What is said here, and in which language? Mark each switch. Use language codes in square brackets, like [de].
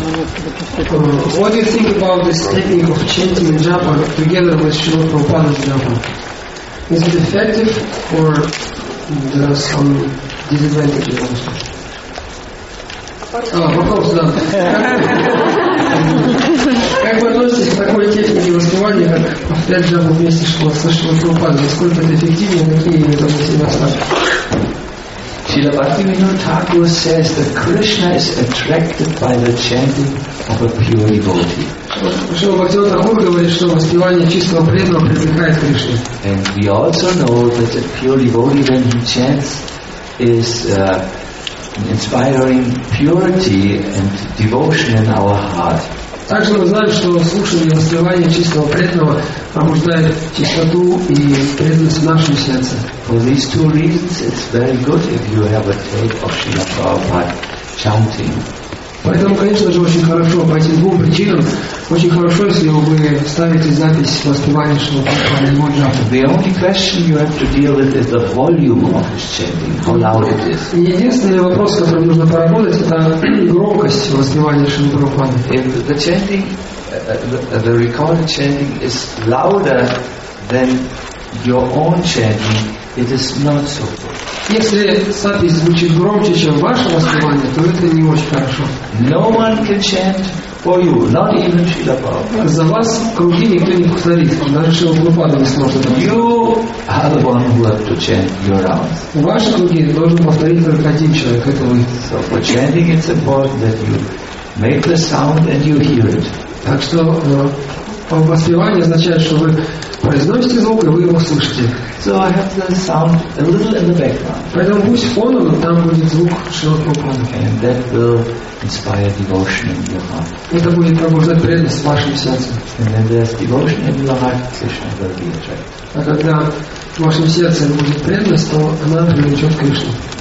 [en] What do you think about this technique of chanting in japa together with Srila Prabhupada's japa? Is it effective or there are some disadvantages also? [ru] Вопрос, да. Как вы относитесь к такой технике воспевания, как повторять джапу вместе со Шрила Прабхупадой? Насколько это эффективнее, какие это для себя ставки? [en] Srila Bhaktivinoda Thakur says that Krishna is attracted by the chanting of a pure devotee. And we also know that a pure devotee when he chants is inspiring purity and devotion in our heart. [ru] Также мы знаем, что слушание воспевания чистого преданного пробуждает чистоту и преданность в нашем сердце. [en] For these two reasons, it's very good if you have a tape of Srila Prabhupada chanting. [ru] Поэтому, конечно же, очень хорошо по этим двум причинам, очень хорошо, если вы ставите запись воспевания Шилопрабхупады в мой джапу. [en] The only question you have to deal with is the volume of his chanting, how loud it is. [ru] Единственный вопрос, который нужно поработать, это громкость воспевания Шилопрабхупады. [en] The chanting, the recorded chanting is louder than your own chanting, it is not so good. [ru] Если запись звучит громче, чем ваше воспевание, то это не очень хорошо. [en] No one can chant for you, not even Srila Prabhupada. [ru] За вас круги никто не повторит. Даже Шрила Прабхупада не сможет это. [en] You are the one who have to chant your rounds. [ru] Ваши круги должен повторить только один человек, это вы. [en] So for chanting it's important that you make the sound and you hear it. [ru] Так что воспевание означает, что вы произносите звук, и вы его слышите. [en] So I have the sound a little in the background. [ru] Поэтому пусть фоном там будет звук Шилопрабхупады. [en] And that will inspire devotion in your heart. [ru] Это будет пробуждать преданность в вашем сердце. [en] And then there's devotion in your heart, Krishna will be attracted. [ru] А когда в вашем сердце будет преданность, то она привлечет Кришну.